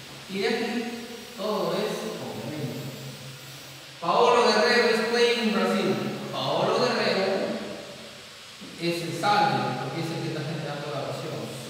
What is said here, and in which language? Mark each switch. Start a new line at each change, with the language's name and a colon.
Spanish: Y de aquí todo es complemento.
English: Paolo Guerrero is playing in Brazil.
Spanish: Paolo Guerrero es el sabio, porque es el que está generando la oración.